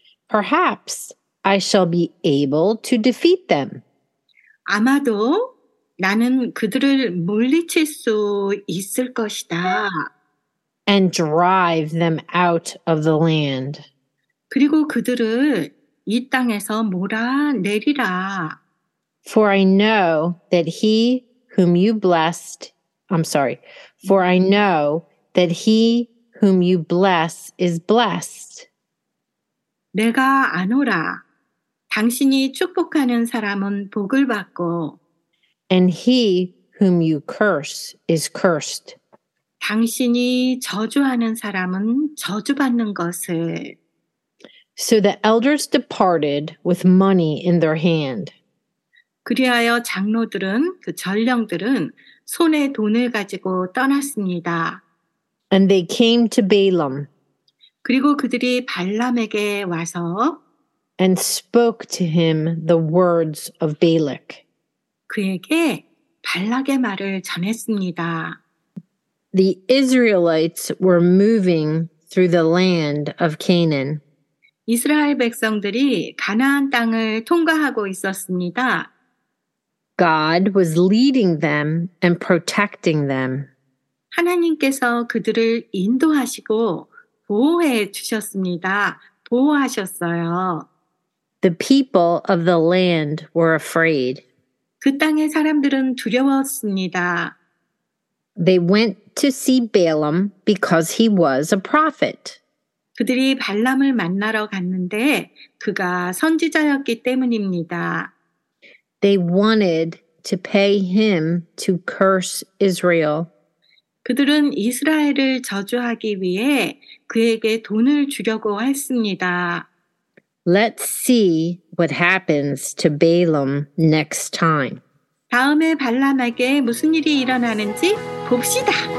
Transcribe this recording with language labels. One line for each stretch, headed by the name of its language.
English: Perhaps I shall be able to defeat them.
Korean: 아마도 나는 그들을 물리칠 수 있을 것이다.
English: And drive them out of the land.
Korean: 그리고 그들을 이 땅에서 몰아내리라.
English: For I know that he whom you blessed, I'm sorry, for I know that he whom you bless is blessed.
Korean: 내가 아노라. 당신이 축복하는 사람은 복을 받고.
English: And he whom you curse is cursed.
Korean: 당신이 저주하는 사람은 저주받는 것을.
English: So the elders departed with money in their hand.
Korean: 그리하여 장로들은, 그 전령들은 손에 돈을 가지고 떠났습니다.
English: And they came to Balaam.
Korean: 그리고 그들이 발람에게 와서
English: And spoke to him the words of Balak.
Korean: 그에게 발락의 말을 전했습니다.
English: The Israelites were moving through the land of Canaan.
Korean: 이스라엘 백성들이 가나안 땅을 통과하고 있었습니다.
English: God was leading them and protecting them.
Korean: 하나님께서 그들을 인도하시고 보호해 주셨습니다. 보호하셨어요.
English: The people of the land were afraid.
Korean: 그 땅의 사람들은 두려웠습니다.
English: They went to see Balaam because he was a prophet.
Korean: 그들이 발람을 만나러 갔는데 그가 선지자였기 때문입니다.
English: They wanted to pay him to curse Israel.
Korean: 그들은 이스라엘을 저주하기 위해 그에게 돈을 주려고 했습니다.
English: Let's see what happens to Balaam next time.
Korean: 다음에 발람에게 무슨 일이 일어나는지 봅시다.